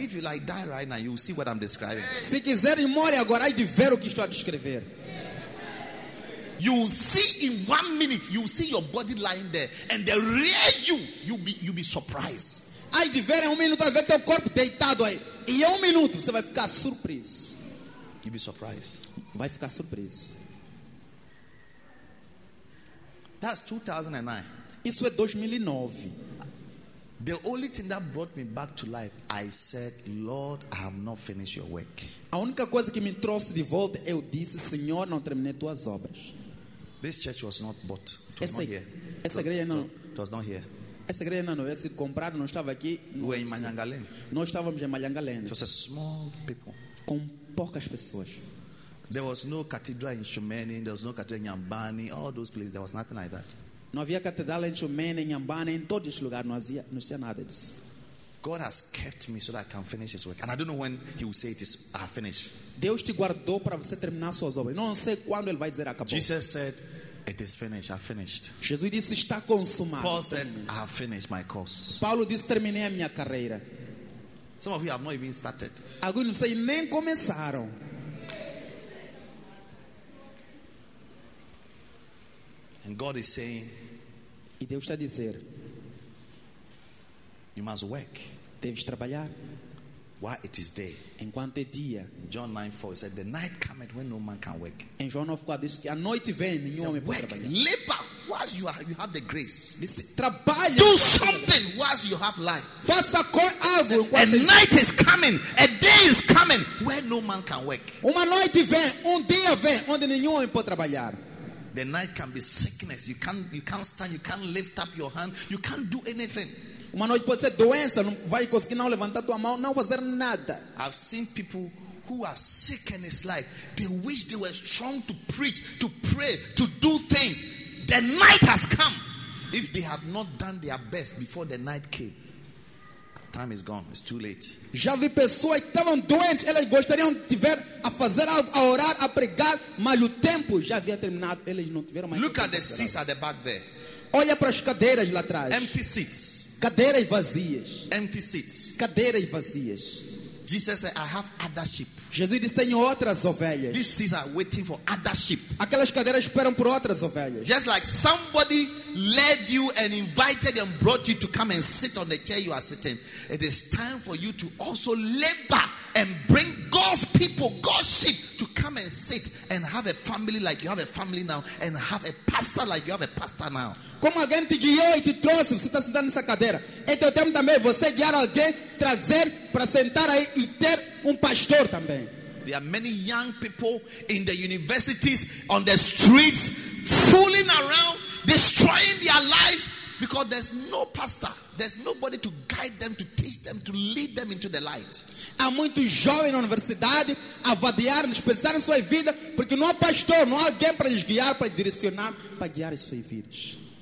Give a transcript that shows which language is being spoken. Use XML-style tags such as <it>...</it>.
<en>if you like die right now, you will see what I'm describing.</en> <pt>Se quiser e morre agora, aí de ver o que estou a descrever.</pt> <en>You will see in 1 minute, you will see your body lying there, and the real you, you'll be surprised.</en> <pt>Aí de ver em 1 minuto, vai ver teu corpo deitado aí, e em 1 minuto você vai ficar surpreso.</pt> <en>You'll be surprised.</en> <pt>Vai ficar surpreso.</pt> <en>That's 2009.</en> <pt>Isso é 2009.</pt> <en>The only thing that brought me back to life, I said, "Lord, I have not finished your work."</en> <pt>A única coisa que me trouxe de volta, eu disse, Senhor, não terminei tuas obras.</pt> <en>This church was not bought.</en> <pt>Essa igreja não.</pt> <en>It was not here.</en> <pt>Essa igreja não havia sido comprada, não estava aqui.</pt> <en>We were in Manyangalen.</en> <pt>Nós estávamos em Manyangalen.</pt> <en>It was a small people.</en> <pt>Com poucas pessoas.</pt> <en>There was no cathedral in Shumeni. There was no cathedral in Yambani. All those places, there was nothing like that.</en> <pt>Não havia catedral em Chumene, em Yambane, em todos os lugares, não havia nada disso.</pt> <en>God has kept me so that I can finish his work. And I don't know when he will say it is finished.</en> <pt>Deus te guardou para você terminar suas obras. Não sei quando ele vai dizer acabou.</pt> <en>Jesus said, "It is finished, I finished."</en> <pt>Jesus disse, está consumado.</pt> <en>Paul said, "I have finished my course."</en> <pt>Paulo disse, terminei a minha carreira.</pt> <en>Some of you have not even started.</en> <pt>Alguns de vocês nem começaram.</pt> <en>And God is saying,</en> <pt>e Deus está a dizer,</pt> <en>you must work.</en> <pt>Deves trabalhar.</pt> <en>While it is day.</en> <pt>Enquanto é dia.</pt> <en>John 9:4 said, "The night cometh when no man can work."</en> <pt>Em João 9:4 diz que a noite vem e nenhum homem pode trabalhar.</pt> <en>Labor whilst you have the grace.</en> <pt>Trabalha.</pt> <en>Do something whilst you have life.</en> <pt>Faça algo.</pt> <en>A night is coming. A day is coming where no man can work.</en> <pt>Uma noite vem, dia vem, onde nenhum homem pode trabalhar.</pt> <en>The night can be sickness. You can't stand. You can't lift up your hand. You can't do anything.</en> <pt>Uma noite pode ser doença. Não vai conseguir não levantar tua mão, não fazer nada.</pt> <en>I've seen people who are sick in this life. They wish they were strong to preach, to pray, to do things. The night has come. If they have not done their best before the night came, time is gone. It's too late.</en> <pt>Já vi pessoas que estavam doentes. Elas gostariam de tiver a fazer algo, a orar, a pregar, mas o tempo já havia terminado. Elas não tiveram mais.</pt> <en>Look at the seats at the back there.</en> <pt>Olha para as cadeiras lá atrás.</pt> <en>Empty seats.</en> <pt>Cadeiras vazias.</pt> <en>Empty seats.</en> <pt>Cadeiras vazias.</pt> <en>Jesus said, "I have other sheep."</en> <pt>Jesus disse, tenho outras ovelhas.</pt> <en>These seats are waiting for other sheep.</en> <pt>Aquelas cadeiras esperam por outras ovelhas.</pt> <en>Just like somebody led you and invited and brought you to come and sit on the chair you are sitting, it is time for you to also labor and bring God's people, God's sheep, to come and sit and have a family like you have a family now, and have a pastor like you have a pastor now.</en> <pt>Como alguém te guiou e te trouxe, você está sentado nessa cadeira. É teu tempo também, você guiar alguém, trazer para sentar aí e ter um pastor também.</pt> <en>There are many young people in the universities, on the streets, fooling around, destroying their lives because there's no pastor. There's nobody to guide them, to teach them, to lead them into the light.</en> <pt>Há muitos jovens na universidade a vadear, desperdiçarem sua vida porque não há pastor, não há alguém para lhes guiar, para direcionar, para guiar as suas vidas.</pt>